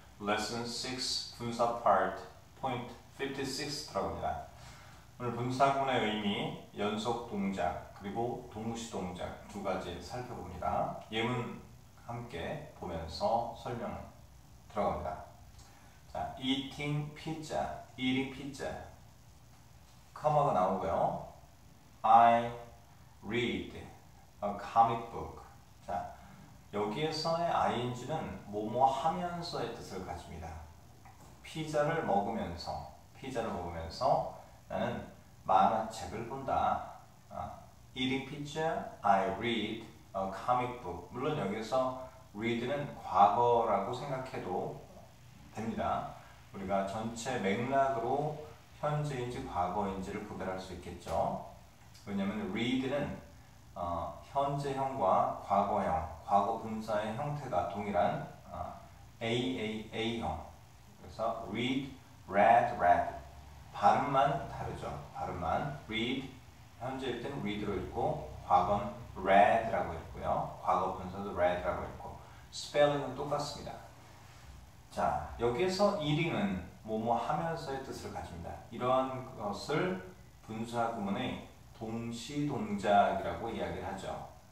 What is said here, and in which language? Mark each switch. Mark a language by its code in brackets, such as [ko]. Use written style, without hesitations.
[ko] 레슨 6 분사 파트 포인트 56 들어갑니다. 오늘 분사구의 의미, 연속 동작, 그리고 동시 동작 두 가지 살펴봅니다. 예문 함께 보면서 설명 들어갑니다. [en] 자, eating pizza, eating pizza. [ko] 커머가 나오고요. [en] I read a comic book. [ko] 자, 여기에서의 ing는 뭐뭐 하면서의 뜻을 가집니다. 피자를 먹으면서 나는 만화책을 본다. [en] Eating pizza, I read a comic book. [ko] 물론 여기서 read는 과거라고 생각해도 됩니다. 우리가 전체 맥락으로 현재인지 과거인지를 구별할 수 있겠죠. 왜냐하면 read는 현재형과 과거형, 과거 분사의 형태가 동일한 AAA형. 그래서 read, read, read. 발음만 다르죠. 발음만 read, 현재일 땐 read로 읽고 과거는 read라고 읽고요. 과거 분사도 read라고 읽고 spelling은 똑같습니다. 자, 여기에서 eating은 뭐뭐 하면서의 뜻을 가집니다. 이러한 것을 분사 구문의 동시동작이라고 이야기를 하죠.